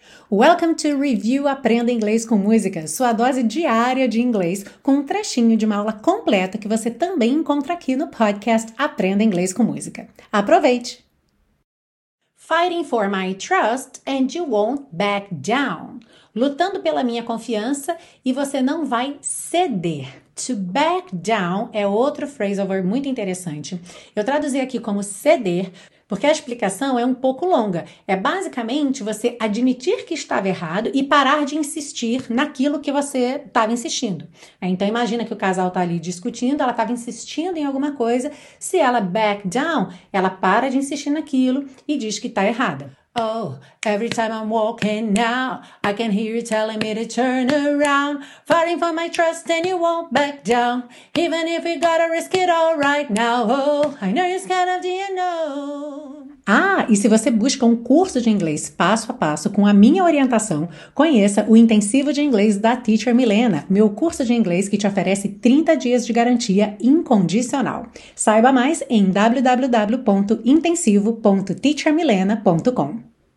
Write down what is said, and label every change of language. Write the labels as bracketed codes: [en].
[en] Welcome to [pt] Review Aprenda Inglês com Música, sua dose diária de inglês, com um trechinho de uma aula completa que você também encontra aqui no podcast Aprenda Inglês com Música. Aproveite! [en] Fighting for my trust and you won't back down. [pt] Lutando pela minha confiança e você não vai ceder. [en] To back down [pt] é outro phrase over muito interessante. Eu traduzi aqui como ceder, porque a explicação é um pouco longa. É basicamente você admitir que estava errado e parar de insistir naquilo que você estava insistindo. Então imagina que o casal está ali discutindo, ela estava insistindo em alguma coisa. Se ela [en] back down, [pt] ela para de insistir naquilo e diz que está errada. [en] Oh, every time I'm walking now, I can hear you telling me to turn around. Fighting for my trust and you won't back down. Even if we gotta risk it all right now. Oh, I know you're scared of the unknown. [pt] Ah, e se você busca um curso de inglês passo a passo com a minha orientação, conheça o Intensivo de Inglês da Teacher Milena, meu curso de inglês que te oferece 30 dias de garantia incondicional. Saiba mais em www.intensivo.teachermilena.com.